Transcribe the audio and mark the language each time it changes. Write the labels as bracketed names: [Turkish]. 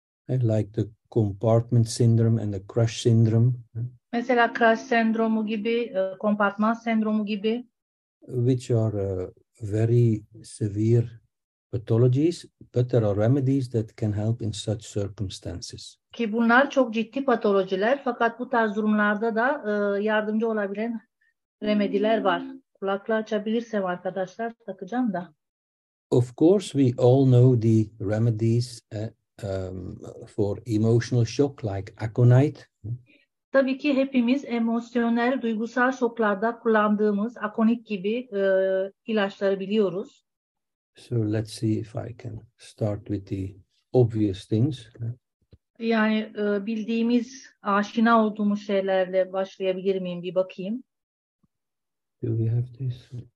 [English] Like the compartment syndrome and the crush syndrome. [Turkish] Mesela crush sendromu gibi, kompartman sendromu gibi. [English] Which are very severe pathologies, but there are remedies that can help in such circumstances. [Turkish] Ki bunlar çok ciddi patolojiler, fakat bu tarz durumlarda da yardımcı olabilen remediler var. Kulaklığı açabilirsem arkadaşlar takacağım da. [English] Of course, we all know the remedies for emotional shock like aconite. [Turkish] Tabii ki hepimiz emosyonel duygusal şoklarda kullandığımız aconit gibi ilaçları biliyoruz. [English] So let's see if I can start with the obvious things. [Turkish] Yani bildiğimiz, aşina olduğumuz şeylerle başlayabilir miyim? Bir bakayım. [English] Do we have this?